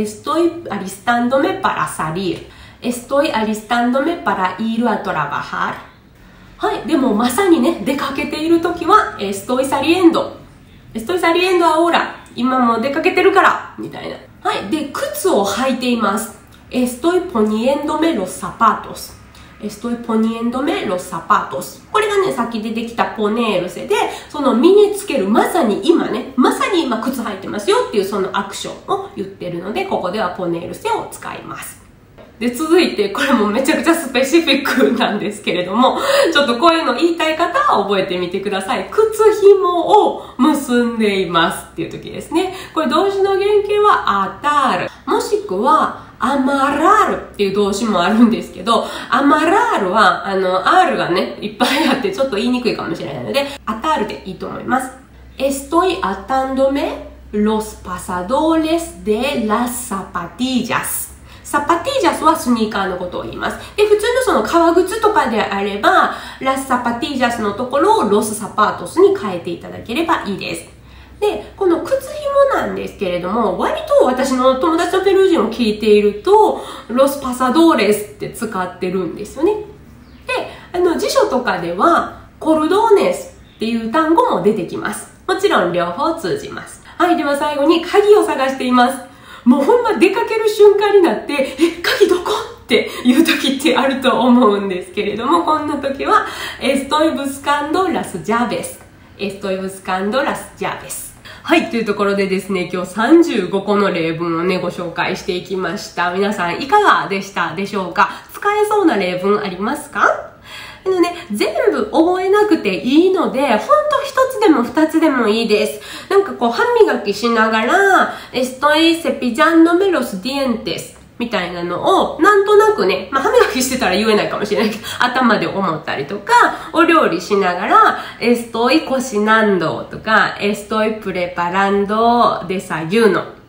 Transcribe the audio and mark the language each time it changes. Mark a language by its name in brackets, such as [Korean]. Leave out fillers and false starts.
[Spanish] エストイアリスタンドメパラサリール、エストイアリスタンドメパライールアトラバハール。 [Japanese] はい、でもまさにね出かけている時は [Spanish] エストイサリエンド、エストイサリエンドアオーラ、 [Japanese] 今も出かけてるからみたいな。はい、で靴を履いています。 [Spanish] Estoy poniéndome los zapatos. Estoy poniéndome los zapatos. [Japanese] これがね、さっき出てきたポネールセで、その身につける、まさに今ね、まさに今靴履いてますよっていうそのアクションを言ってるので、ここではポネールセを使います。で、続いて、これもめちゃくちゃスペシフィックなんですけれども、ちょっとこういうの言いたい方は覚えてみてください。靴紐を結んでいますっていう時ですね。これ動詞の原型はアタール。もしくは、アマラールっていう動詞もあるんですけど、アマラールは、R がね、いっぱいあってちょっと言いにくいかもしれないので、アタールでいいと思います。 [Spanish] Estoy atándome los pasadores de las zapatillas。 [Japanese] サパティージャスはスニーカーのことを言います。で、普通のその革靴とかであれば、ラスサパティージャスのところをロスサパートスに変えていただければいいです。で、この靴紐なんですけれども、割と私の友達のペルー人を聞いていると、ロスパサドーレスって使ってるんですよね。で、辞書とかでは、コルドーネスっていう単語も出てきます。もちろん両方通じます。はい、では最後に鍵を探しています。もうほんま出かける瞬間になって、え、鍵どこっていう時ってあると思うんですけれども、こんな時は、 [Spanish] Estoy buscando las llaves。 Estoy buscando las llaves。 [Japanese] はい、というところでですね、今日35個の例文をね、ご紹介していきました。皆さんいかがでしたでしょうか？使えそうな例文ありますか？のね、全部覚えなくていいので、ほんと一つでも二つでもいいです。なんかこう、歯磨きしながら、 [Spanish] estoy cepillando me los dientes [Japanese] みたいなのを、なんとなくね、まあ歯磨きしてたら言えないかもしれないけど、頭で思ったりとか、お料理しながら、 [Spanish] estoy cocinando [Japanese] とか、 [Spanish] estoy preparando desayuno。